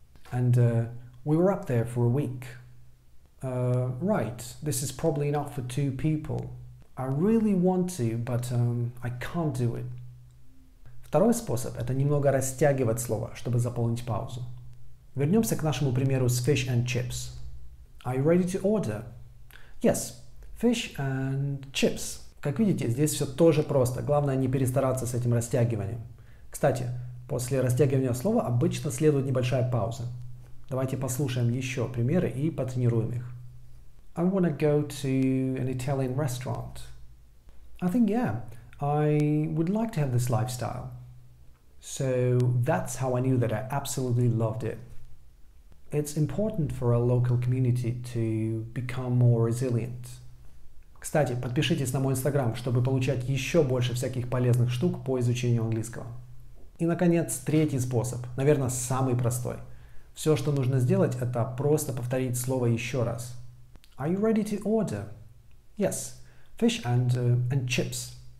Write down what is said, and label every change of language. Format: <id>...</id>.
<en>And we were up there for a week. Right, this is probably enough for two people. I really want to, but I can't do it.</en> <ru>Второй способ – это немного растягивать слово, чтобы заполнить паузу. Вернемся к нашему примеру с</ru> <en>fish and chips. Are you ready to order? Yes, fish and chips.</en> <ru>Как видите, здесь все тоже просто. Главное не перестараться с этим растягиванием. Кстати, после растягивания слова обычно следует небольшая пауза. Давайте послушаем еще примеры и потренируем их.</ru> <en>I want to go to an Italian restaurant. I think, yeah, I would like to have this lifestyle. So that's how I knew that I absolutely loved it. It's important for a local community to become more resilient.</en> <ru>Кстати, подпишитесь на мой Instagram, чтобы получать еще больше всяких полезных штук по изучению английского. И, наконец, третий способ, наверное, самый простой. Все, что нужно сделать, это просто повторить слово еще раз.</ru> <en>Are you ready to order? Yes, fish and chips.</en>